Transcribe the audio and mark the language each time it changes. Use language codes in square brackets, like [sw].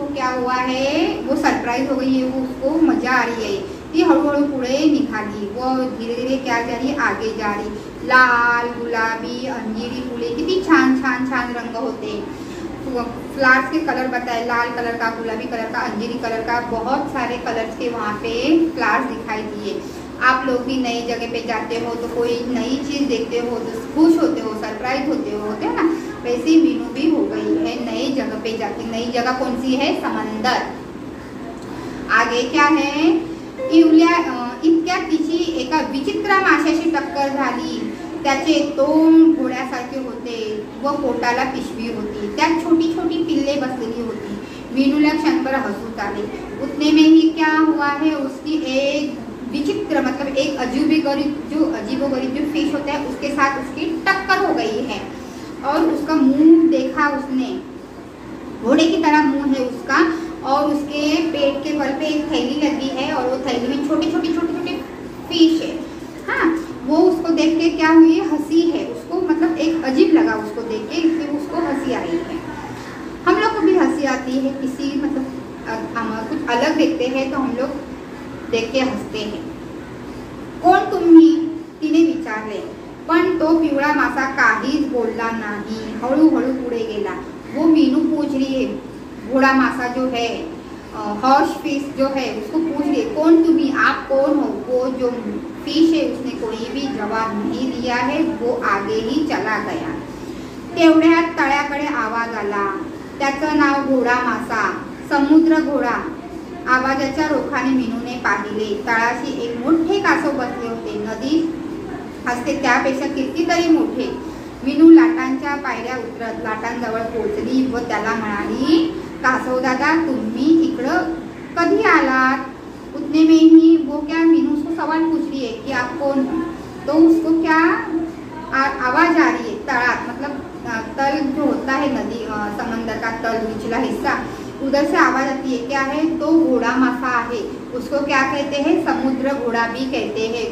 [hi] उसको क्या हुआ है, वो सरप्राइज हो गई है, वो उसको मजा आ रही है, [mr] ती हळूहळू पुढे निघाली, [hi] वो धीरे धीरे क्या जा रही, आगे जा रही, [mr] लाल गुलाबी अंजीरी फूले किती छान छान छान रंग होते, [hi] फ्लावर्स के कलर बताए, लाल कलर का, गुलाबी कलर का, अंजीरी कलर का, बहुत सारे कलर्स के वहाँ पे फ्लावर्स दिखाई दिए। आप लोग भी नई जगह पे जाते हो तो कोई नई चीज देखते हो तो खुश होते हो, सरप्राइज होते हो, होते हैं ना, वैसे वीनू भी हो गई है नई जगह पे जाके। नई जगह कौन सी है, समंदर। [mr] आगे क्या है, इवल्या इतक्या तिची एका विचित्र माशाशी टक्कर झाली, त्याचे तोंड घोड्यासारखे होते व पोटाला पिशवी होती, त्यात छोटी छोटी पिल्ले बसलेली होती। वीनूला क्षणभर हसूत आले, [hi] उतने में ही क्या हुआ है, उसकी एक विचित्र मतलब एक अजूबी गरीब जो अजीबो गरीब जो फिश होता है उसके साथ उसकी टक्कर हो गई है, और उसका मुंह देखा उसने, घोड़े की तरह मुंह है उसका, और उसके पेट के बल पे एक थैली लगी है, और वो थैली में छोटी छोटी छोटी छोटी फिश है। हाँ, वो उसको देख के क्या हुई, हंसी है उसको, मतलब एक अजीब लगा उसको देख के, इसलिए उसको हंसी आई है। हम लोग को भी हंसी आती है किसी, मतलब हम कुछ अलग देखते हैं तो हम लोग देख के हंसते हैं। [mr] कौन तुम्ही, तिने विचारले, पण तो पिवळा मासा काहीच बोलला नाही, हळू हळू पुढे गेला। [hi] वो मीनू पूछ रही है, घोड़ा मासा जो है, हॉर्स फिश जो है, उसको पूछ रही है, [mr] कौन तुम्ही, [hi] आप कौन हो। वो जो फिश है उसने कोई भी जवाब नहीं दिया है, वो आगे ही चला गया। [mr] तेवढ्यात तळ्याकडे आवाज आला, त्याचं नाव घोड़ा मासा, समुद्र घोड़ा। आवाजाच्या रोखाने मीनू ने पाहिले, तळाशी एक मोठे कासव बसले होते, नदी असते त्यापेक्षा कितीतरी मोठे। मीनू लाटांच्या पायऱ्या उतरत लाटांजवळ पोहोचली व त्याला म्हणाली, कासवदादा तुम्ही इकडं कधी आलात। [hi] उतने में ही वो क्या, मीनू उसको सवाल पूछ रही है कि आप कौन हो, तो उसको क्या आवाज आ रही है, तळात मतलब तल जो होता है नदी समंदर का तल निचला हिस्सा, उधर से आवाज आती है, क्या है, तो घोड़ा मासा है, उसको क्या कहते हैं, समुद्र घोड़ा भी कहते हैं।